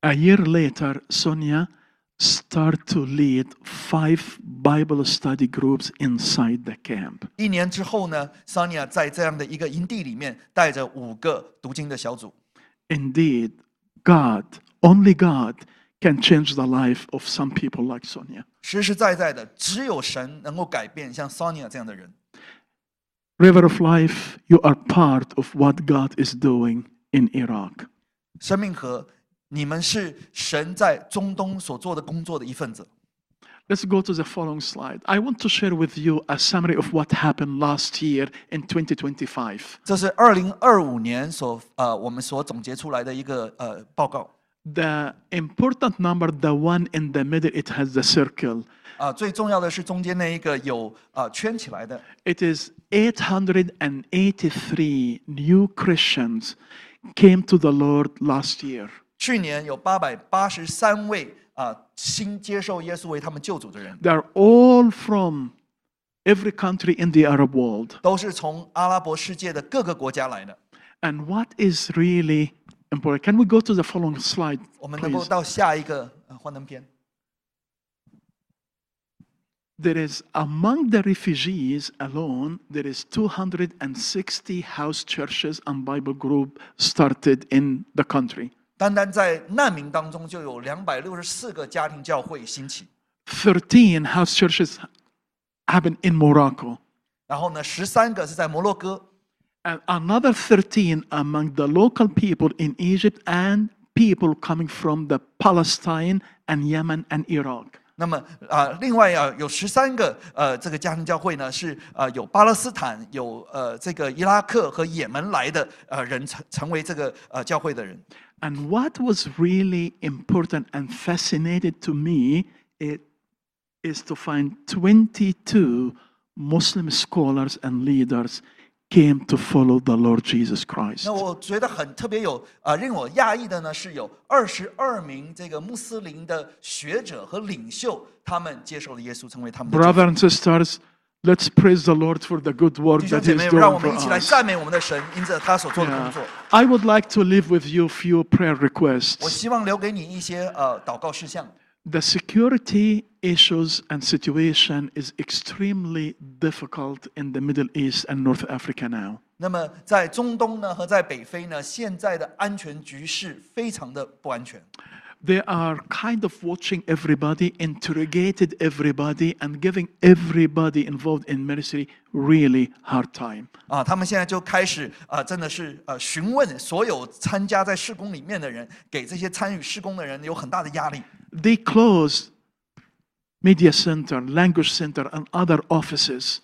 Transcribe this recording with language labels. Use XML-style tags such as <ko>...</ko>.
<en>A year later, Sonia started to lead 5 Bible study groups inside the camp.</en> <zh>一年之后呢， Sonia 在这样的一个营地里面带着五个读经的小组。</zh> <en>Indeed, God, only God, can change the life of some people like Sonia.</en> <zh>实实在在的，只有神能够改变像 Sonia 这样的人。</zh> <en>River of Life, you are part of what God is doing in Iraq.</en> <zh>生命河。你们是神在中东所做的工作的一份子。</zh> <en>Let's go to the following slide. I want to share with you a summary of what happened last year in 2025.</en> <zh>这是2025年我们所总结出来的一个报告。</zh> <en>The important number, the one in the middle, it has the circle.</en> <zh>最重要的是中间那一个有圈起来的。</zh> <en>It is 883 new Christians came to the Lord last year.</en> <zh>去年有883位新接受耶稣为他们救主的人。</zh> <en>They are all from every country in the Arab world.</en> <zh>都是从阿拉伯世界的各个国家来的。</zh> <en>And what is really important? Can we go to the following slide?</en> <zh>我们能够到下一个幻灯片。</zh> <en>There is among the refugees alone, there is 260 house churches and Bible groups started in the country.</en> <zh>单单在难民当中就有264个家庭教会兴起。</zh> <en>13 house churches happened in Morocco.</en> <zh>然后呢，13个是在摩洛哥。</zh> <en>And another 13 among the local people in Egypt and people coming from the Palestine and Yemen and Iraq.</en> <zh>那么另外有13个这个家庭教会呢是有巴勒斯坦，有这个伊拉克和也门来的人成为这个教会的人。</zh> <en>And what was really important and fascinated to me is to find 22 Muslim scholars and leaders came to follow the Lord Jesus Christ.</en> <zh>那我觉得很特别有令我讶异的呢，是有22名这个穆斯林的学者和领袖，他们接受了耶稣，成为他们的。</zh> <en>Brothers and sisters, let's praise the Lord for the good work that He's doing for us.</en> <zh>让我们一起来赞美我们的神，因着他所做的工作。</zh> <en>Yeah. I would like to leave with you a few prayer requests.</en> <zh>我希望留给你一些祷告事项。</zh> <en>The security issues and situation is extremely difficult in the Middle East and North Africa now.</en> <zh>那么在中东呢和在北非呢，现在的安全局势非常的不安全。</zh> <en>They are kind of watching everybody, interrogated everybody, and giving everybody involved in ministry really hard time.</en> <zh>啊，他们现在就开始啊，真的是询问所有参加在事工里面的人，给这些参与事工的人有很大的压力。</zh> <en>They closed media center, language center, and other offices.</en>